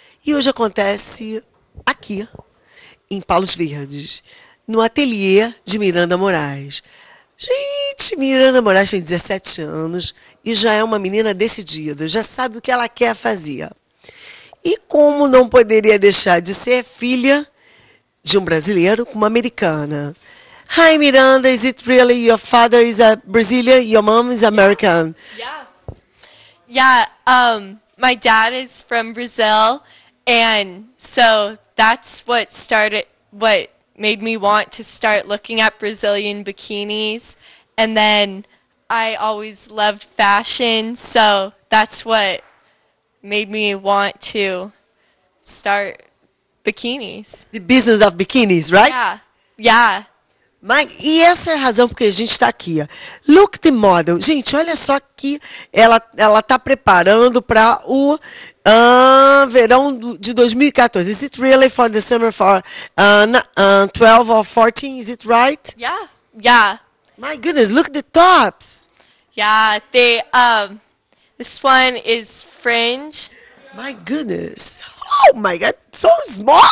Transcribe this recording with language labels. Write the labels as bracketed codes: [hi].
[pt] E hoje acontece aqui, em Palos Verdes, no ateliê de Miranda Moraes. Gente, Miranda Moraes tem 17 anos e já é uma menina decidida, já sabe o que ela quer fazer. E como não poderia deixar de ser filha de um brasileiro com uma americana? [en] Hi, Miranda, is it really your father is a Brazilian, your mom is American? Yeah, my dad is from Brazil, and so that's what started, what made me want to start looking at Brazilian bikinis, and then I always loved fashion, so that's what made me want to start bikinis. The business of bikinis, right? Yeah. [pt] Mas, e essa é a razão porque a gente está aqui. [en] Look the model. [pt] Gente, olha só que ela está preparando para o verão de 2014. [en] Is it really for the summer for 12 or 14? Is it right? Yeah. My goodness, look at the tops. Yeah, they, this one is fringe. My goodness. Oh my God, so smaller.